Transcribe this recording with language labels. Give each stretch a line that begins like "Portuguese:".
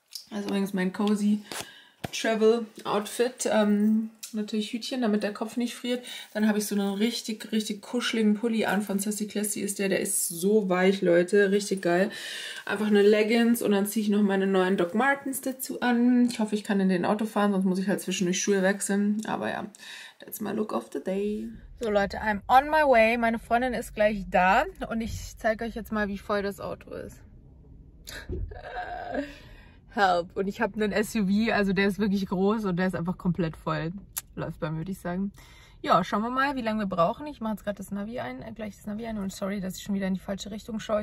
German: Also übrigens mein cozy Travel Outfit, natürlich Hütchen, damit der Kopf nicht friert, dann habe ich so einen richtig, richtig kuscheligen Pulli an von Sassy Classy, ist der ist so weich, Leute, richtig geil. Einfach eine Leggings und dann ziehe ich noch meine neuen Doc Martens dazu an. Ich hoffe, ich kann in den Auto fahren, sonst muss ich halt zwischendurch Schuhe wechseln. Aber ja,
English: that's my look of the day.
German: So Leute,
English: I'm on my way.
German: Meine Freundin ist gleich da und ich zeige euch jetzt mal, wie voll das Auto ist. Help. Und ich habe einen SUV, also der ist wirklich groß und der ist einfach komplett voll. Läuft bei mir, würde ich sagen. Ja, schauen wir mal, wie lange wir brauchen. Ich mache jetzt gerade das Navi ein, gleich das Navi ein. Und sorry, dass ich schon wieder in die falsche Richtung schaue.